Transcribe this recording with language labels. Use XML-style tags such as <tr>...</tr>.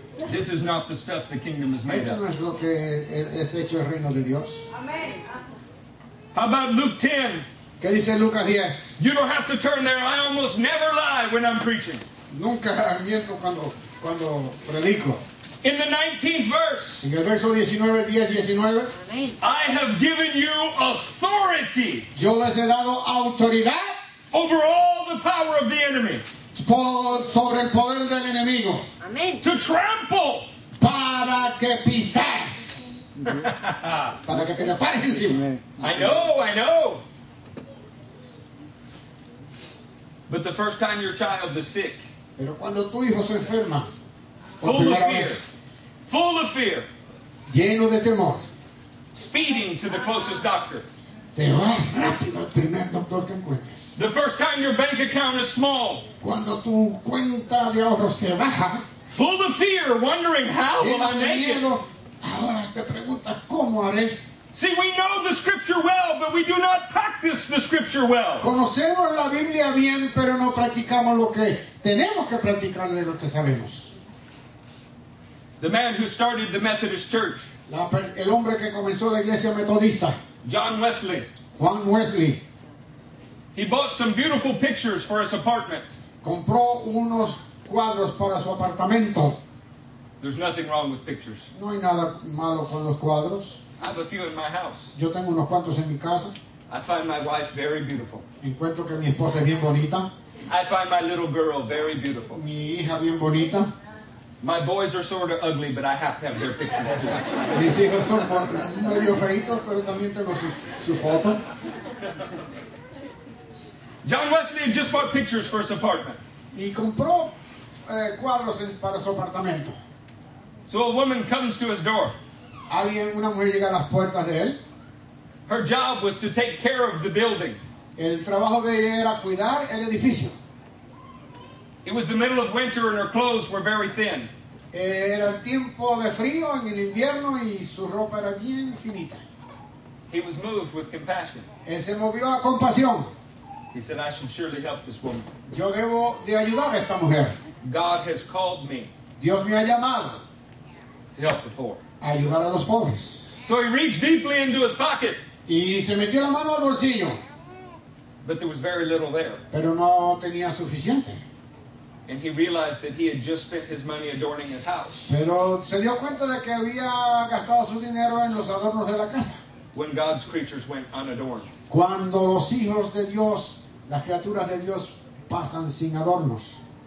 <en>This is not the stuff the kingdom is made of.</en> <es>Esto no es lo que es hecho el reino de Dios.</es> <en>Amen. How about Luke 10?</en> <es>¿Qué dice Lucas 10?</es> <en>You don't have to turn there. I almost never lie when I'm preaching.</en> <es>Nunca miento cuando predico.</es> <en>In the 19th verse.</en> <es>En el verso 19.</es> <en>I have given you authority.</en> <es>Yo les he dado autoridad.</es> <en>Over all the power of the enemy.</en> <es>Sobre el poder del enemigo.</es> <en>Amen. To trample.</en> <es>Para que pisas. Para que te pares encima.</es> <en>I know. But the first time your child is sick.</en> <es>Pero cuando tu hijo se enferma.</es> <en>Full of fear. Full of fear.</en> <es>Lleno de temor.</es> <en>Speeding to the closest doctor.</en> <es>Te vas rápido al primer doctor que encuentres.</es> <en>The first time your bank account is small.</en> <es>Cuando tu cuenta de ahorro se baja.</es> <en>Full of fear, wondering how will I make</en> <es>miedo.</es> <en>It?</en> <es>Ahora te preguntas, ¿cómo haré?</es> <en>See, we know the scripture well, but we do not practice the scripture well.</en> <es>Conocemos la Biblia bien, pero no practicamos lo que tenemos que practicar de lo que sabemos.</es> <en>The man who started the Methodist Church.</en> <es>El hombre que comenzó la iglesia metodista.</es> <en>John Wesley.</en> <es>Juan Wesley.</es> <en>He bought some beautiful pictures for his apartment.</en> <es>Compró unos cuadros para su apartamento.</es> <en>There's nothing wrong with pictures.</en> <es>No hay nada malo con los cuadros.</es> <en>I have a few in my house.</en> <es>Yo tengo unos cuantos en mi casa.</es> <en>I find my wife very beautiful.</en> <es>Encuentro que mi esposa es bien bonita.</es> <en>I find my little girl very beautiful.</en> <es>Mi hija bien bonita.</es> <en>My boys are sort of ugly, but I have to have their pictures too.</en> <es>Mis hijos son medio feitos, pero también tengo sus fotos.</es> <en>John Wesley just bought pictures for his apartment.</en> <es>Y compró cuadros para su apartamento.</es> <en>So a woman comes to his door.</en> <es>Alguien, una mujer llega a las puertas de él.</es> <en>Her job was to take care of the building.</en> <es>El trabajo de ella era cuidar el edificio.</es> <en>It was the middle of winter and her clothes were very thin.</en> <es>Era el tiempo de frío en el invierno y su ropa era bien finita.</es> <en>He was moved with compassion.</en> <es>Él se movió a compasión.</es> <en>He said, I should surely help this woman.</en> <es>Yo debo de ayudar a esta mujer.</es> <en>God has called me.</en> <es>Dios me ha llamado</es> <en>to help the poor.</en> <es>A ayudar a los pobres.</es> <en>So he reached deeply into his pocket.</en> <es>Y se metió la mano al bolsillo.</es> <en>But there was very little there.</en> <es>Pero no tenía suficiente.</es> <en>And he realized that he had just spent his money adorning his house.</en> <es>Pero se dio cuenta de que había gastado su dinero en los adornos de la casa.</es> <en>When God's creatures went unadorned.</en> <es>Cuando los hijos de Dios, las criaturas de Dios, pasan sin adornos.</es>